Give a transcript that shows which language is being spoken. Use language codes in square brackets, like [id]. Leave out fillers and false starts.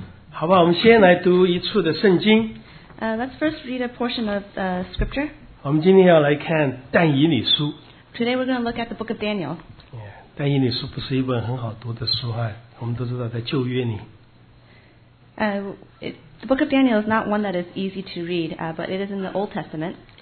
[zh] 好吧, 我们先来读一处的圣经。 [en] Let's first read a portion of the scripture. [zh] 我们今天要来看但以理书。 [en] Today we're going to look at the book of Daniel. [zh] 但以理书不是一本很好读的书，我们都知道在旧约里。 [en] The book of Daniel is not one that is easy to read, but it is in the Old Testament.